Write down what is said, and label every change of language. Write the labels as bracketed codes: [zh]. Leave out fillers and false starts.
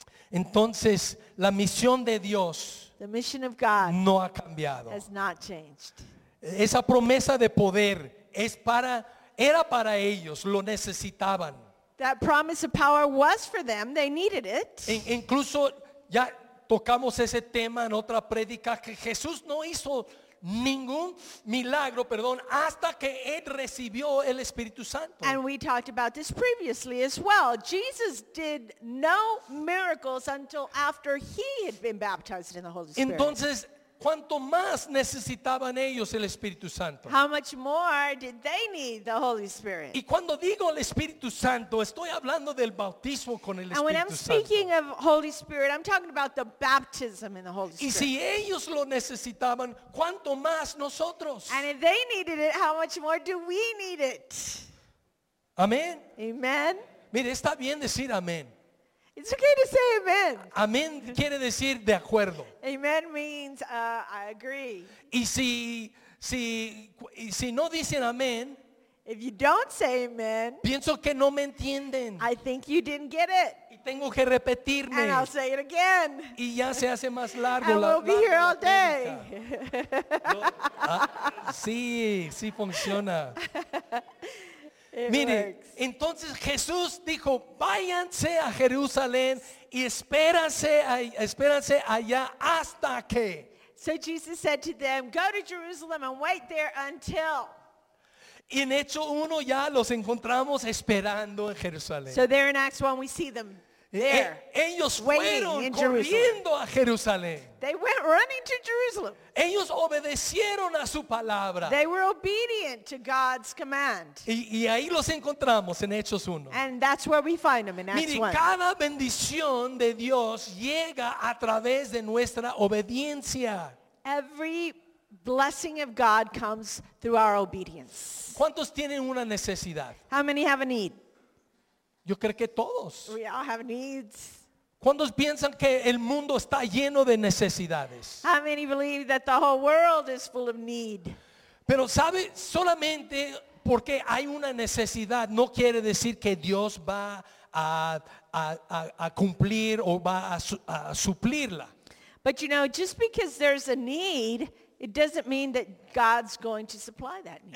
[es] Entonces, la misión de Dios no ha cambiado. [en] Has not changed. [es] Esa promesa de poder era para ellos, lo necesitaban. [en] That promise of power was for them, they needed it. [es] Incluso ya tocamos ese tema en otra prédica, que Jesús no hizo ningún milagro, perdón, hasta que él recibió el Espíritu Santo. [en] And we talked about this previously as well. Jesus did no miracles until after he had been baptized in the Holy Spirit. [es] Entonces, ¿Cuánto más necesitaban ellos el Espíritu Santo? [en] How much more did they need the Holy Spirit? [es] Y cuando digo el Espíritu Santo, estoy hablando del bautismo con el Espíritu Santo. [en] And when I'm speaking of Holy Spirit, I'm talking about the baptism in the Holy Spirit. [es] Y si ellos lo necesitaban, ¿cuánto más nosotros? [en] And if they needed it, how much more do we need it? [es] Amén. [en] Amen. [es] Mire, está bien decir amén. [en] It's okay to say amen. [es] Amén quiere decir de acuerdo. [en] Amen means I agree. [es] Y si no dicen amén, [en] if you don't say amen, [es] pienso que no me entienden. [en] I think you didn't get it. [es] Y tengo que repetirme. [en] And I'll say it again. [es] Y ya se hace más largo. [en] And we'll be here all day. [es] sí funciona. [en] It [es] Mire, [en] works. [es] Entonces Jesús dijo, váyanse a Jerusalén y espérense allá hasta que. [en] So Jesus said to them, go to Jerusalem and wait there until. [es] Y en Hechos 1 ya los encontramos esperando en Jerusalén. [en] So there in Acts 1 we see them there. [es] Ellos fueron corriendo a Jerusalén. [en] They went running to Jerusalem. [es] Ellos obedecieron a su palabra. [en] They were obedient to God's command. [es] Y ahí los encontramos en Hechos 1. [en] And that's where we find them in Acts 1. [es] Mire, cada bendición de Dios llega a través de nuestra obediencia. [en] Every blessing of God comes through our obedience. [es] ¿Cuántos tienen una necesidad? [en] How many have a need? [es] Yo creo que todos. [en] We all have needs. [es] ¿Cuántos piensan que el mundo está lleno de necesidades? [en] How many believe that the whole world is full of need? [es] Pero sabe, solamente porque hay una necesidad no quiere decir que Dios va a cumplir o va a suplirla. [en] But you know, just because there's a need, it doesn't mean that God's going to supply that need.